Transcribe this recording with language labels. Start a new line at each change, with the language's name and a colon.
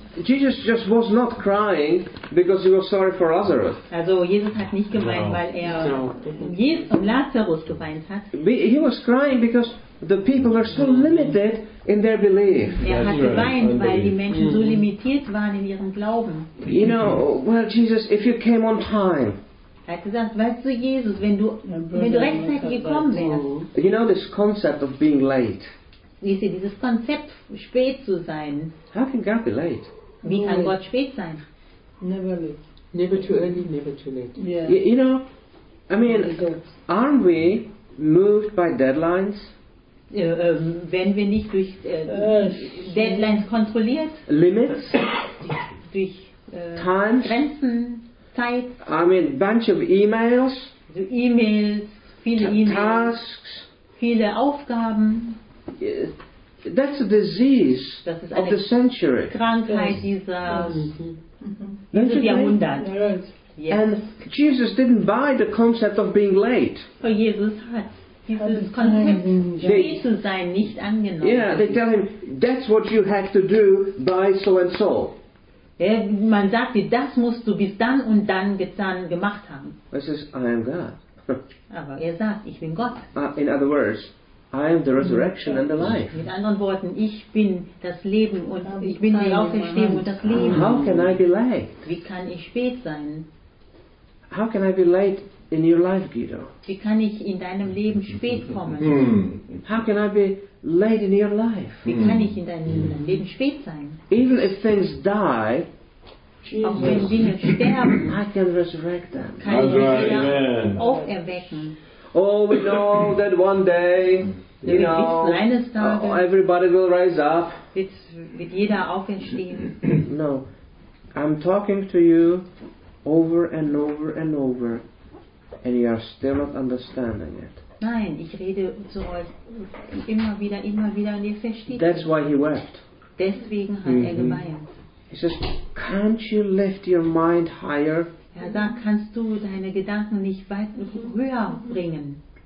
English: Jesus just was not crying because he was sorry for Lazarus.
German: Also Jesus hat nicht geweint, weil um Lazarus geweint hat.
English: He was crying because the people were so limited in their belief.
German: Weil die Menschen so limitiert waren in ihrem Glauben.
English: You know, well, Jesus, if you came on time.
German: Er hat gesagt, weißt du, Jesus, wenn du rechtzeitig gekommen wärst.
English: You know this concept of being late.
German: Wisst ihr, dieses Konzept, spät zu sein.
English: How can God be late?
German: Wie kann Gott spät sein?
English: Never late. Never too early, never too late. Yeah. You know, I mean, aren't we moved by deadlines?
German: Wenn wir nicht durch Deadlines kontrolliert?
English: Limits?
German: Durch
English: Times?
German: Grenzen? Zeit?
English: I mean, bunch of E-Mails?
German: So E-Mails, viele E-Mails.
English: Tasks?
German: Viele Aufgaben?
English: Yeah. That's a disease of the century.
German: Krankheit dieser Jahrhundert.
English: And Jesus didn't buy the concept of being late.
German: Oh, Jesus hat dieses Konzept, spät zu sein, nicht angenommen.
English: Yeah, they tell him, that's what you have to do by so and so.
German: Man sagt dir, das musst du bis dann und dann getan gemacht haben.
English: He says, I am God.
German: Aber er sagt, ich bin Gott.
English: In other words, I am the resurrection and the life.
German: Mit anderen Worten, ich bin das Leben und ich bin die Auferstehung und das Leben.
English: How can I be late?
German: Wie kann ich spät sein?
English: How can I be late in your life, Guido?
German: Wie kann ich in deinem Leben spät kommen?
English: How can I be late in your life?
German: Wie kann ich in deinem Leben spät sein?
English: Even if things die,
German: auch wenn Dinge sterben,
English: I can resurrect them.
German: Kann ich sie wieder auferwecken?
English: Oh, we know that one day, you know,
German: eines Tages,
English: everybody will rise up.
German: Wird jeder aufstehen.
English: No, I'm talking to you over and over and over, and you are still not understanding it.
German: Nein, ich rede zu euch immer wieder, und ihr versteht es.
English: That's why he wept.
German: Deswegen hat er geweint.
English: He says, "Can't you lift your mind higher?"
German: Ja, da kannst du deine Gedanken nicht weit höher bringen.